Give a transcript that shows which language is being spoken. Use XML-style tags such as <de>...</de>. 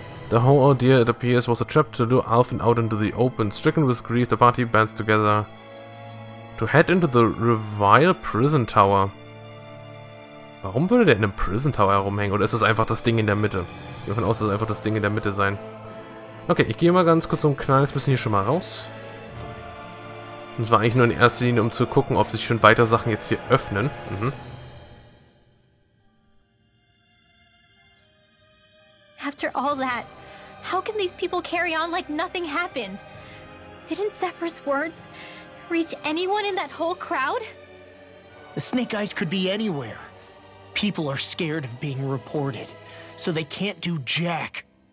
<en>The whole idea, it appears, was a trap to lure Alfin out into the open. Stricken with grief, the party bands together to head into the Revile Prison Tower.</en> <de>Warum würde der in einem Prison Tower herumhängen? Oder ist das einfach das Ding in der Mitte? Ich gehe davon aus, dass es einfach das Ding in der Mitte sein. Okay, ich gehe mal ganz kurz so ein kleines bisschen hier schon mal raus. Und zwar eigentlich nur in erster Linie, um zu gucken, ob sich schon weiter Sachen jetzt hier öffnen.</de> <en>After all that, how can these people carry on like nothing happened? Didn't Zephyr's words reach anyone in that whole crowd? The Snake Eyes could be anywhere. People are scared of being reported, so they can't do jack.</en>